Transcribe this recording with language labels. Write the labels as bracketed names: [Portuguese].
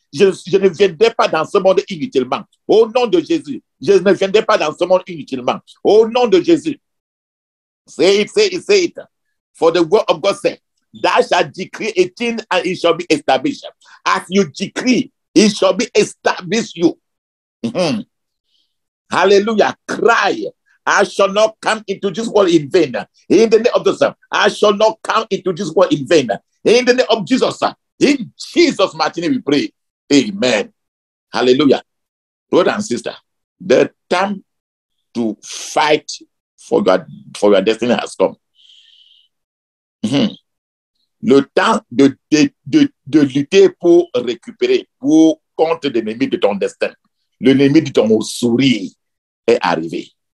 [French] Je ne viendrai pas dans ce monde inutilement. Au nom de Jésus. Je ne viendrai pas dans ce monde inutilement. Au nom de Jésus. [English] Say it. For the word of God says, thou shalt decree a thing and it shall be established. As you decree, it shall be established you. Hallelujah. Cry. I shall not come into this world in vain. In the name of Jesus, I shall not come into this world in vain. In the name of Jesus, in Jesus' mighty name we pray. Amen. Hallelujah. Brother and sister, the time to fight for God, for your destiny has come. [French] Le temps de lutter pour récupérer, pour contre l'ennemi de ton destin, l'ennemi de ton sourire est arrivé.